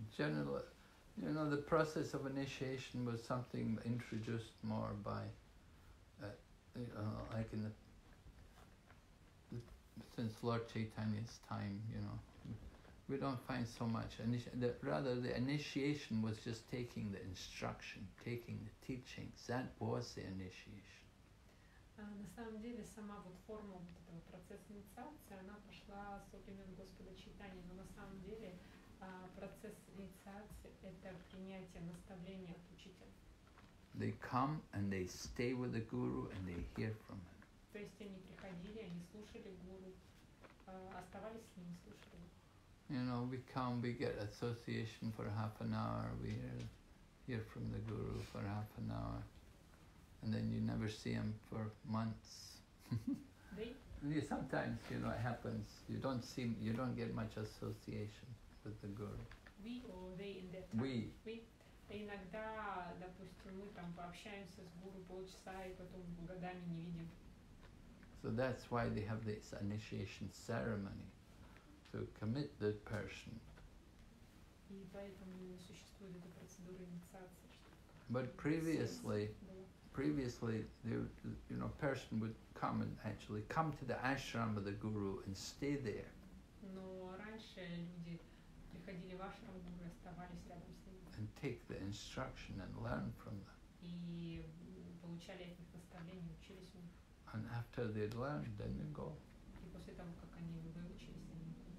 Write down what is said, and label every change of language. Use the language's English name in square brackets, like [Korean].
[English] Generally, you know, the process of initiation was something introduced more by, like in since Lord Chaitanya's time, you know. We don't find so much, rather the initiation was just taking the instruction, taking the teachings. That was the initiation. [Russian] На самом деле сама вот форма вот этого процесса инициации, она пошла со времен Господа Чайтани, но на самом деле процесс инициации – это принятие наставления от учителя. [English] They come and they stay with the guru and they hear from him. [Russian] То есть они приходили, они слушали гуру, оставались с ним, слушали. [English] You know, we come, we get association for half an hour, we hear from the guru for half an hour. And then you never see him for months. Sometimes, you know, it happens. You don't get much association with the guru. We or they in that time. We. [Russian] Иногда, допустим, мы там пообщаемся с гуру полчаса и потом годами не видим. [English] So that's why they have this initiation ceremony to commit the person. [Russian] И поэтому существует эта процедура инициации. [English] But previously. Previously, person would come and actually come to the ashram of the guru and stay there. [Russian] Но раньше люди приходили в ашрам гуру, оставались рядом с ним. [English] And take the instruction and learn from them. [Russian] И получали от них наставления, учились у них. [English] And after they'd learned, then they go. [Russian] И после того, как они выучились, они.